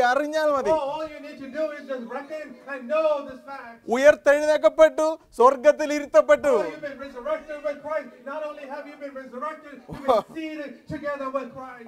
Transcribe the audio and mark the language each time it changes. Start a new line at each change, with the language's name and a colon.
English: All you need to do is just reckon and know this fact.
Malayalam: ഉയർത്തെഴുന്നേൽക്കപ്പെട്ടു, സ്വർഗ്ഗത്തിൽ ഇരുത്തപ്പെട്ടു.
English: You've been resurrected with Christ. Not only have you been resurrected, you've been seated together with Christ.